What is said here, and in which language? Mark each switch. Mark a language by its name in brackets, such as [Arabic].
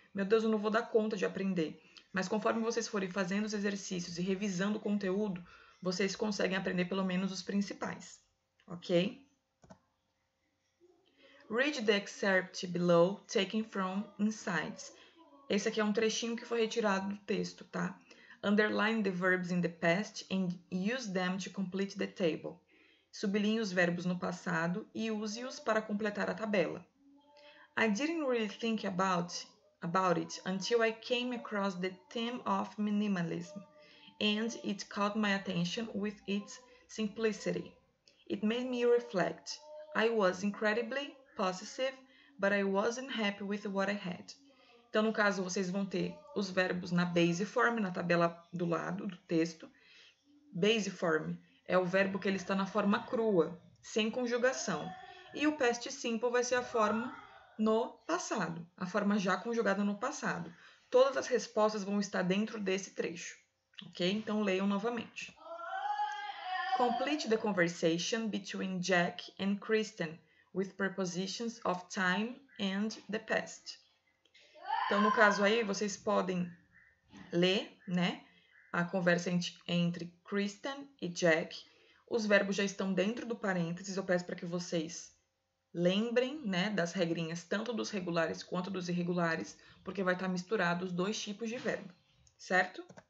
[Portuguese] Meu Deus, eu não vou dar conta de aprender. Mas conforme vocês forem fazendo os exercícios e revisando o conteúdo, vocês conseguem aprender pelo menos os principais, ok? [English] Read the excerpt below, taken from insights. [Portuguese] Esse aqui é um trechinho que foi retirado do texto, tá? [English] Underline the verbs in the past and use them to complete the table. [Portuguese] Sublinhe os verbos no passado e use-os para completar a tabela. [English] I didn't really think about it until I came across the theme of minimalism and it caught my attention with its simplicity. It made me reflect. I was incredibly possessive, but I wasn't happy with what I had. [Portuguese] Então, no caso, vocês vão ter os verbos na base form, na tabela do lado do texto, Baseform é o verbo que ele está na forma crua, sem conjugação. E o past simple vai ser a forma no passado, a forma já conjugada no passado. Todas as respostas vão estar dentro desse trecho. Ok? Então leiam novamente. [English] Complete the conversation between Jack and Kristen with prepositions of time and the past. [Portuguese] Então, no caso aí, vocês podem ler, né, a conversa entre Kristen e Jack. Os verbos já estão dentro do parênteses. Eu peço para que vocês lembrem, né, das regrinhas, tanto dos regulares quanto dos irregulares, porque vai estar misturado os dois tipos de verbo, certo?